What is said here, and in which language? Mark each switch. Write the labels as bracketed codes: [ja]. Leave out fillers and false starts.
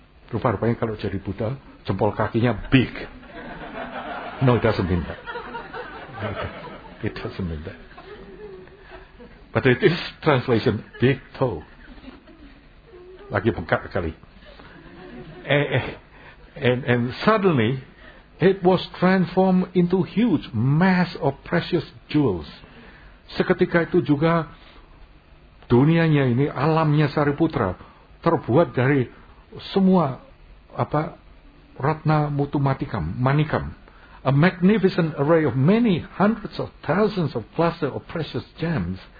[id] Rupa-rupanya kalau jadi Buddha, jempol kakinya [en] big. No, it doesn't mean that. It doesn't mean that. But it is translation, big toe. [id] Lagi bengkak sekali. [en] And suddenly, it was transformed into huge mass of precious jewels. [id] Seketika itu juga, dunianya ini, alamnya Sariputra, terbuat dari semua ratna mutu matikam, manikam. [en] A magnificent array of many hundreds of thousands of clusters of precious gems.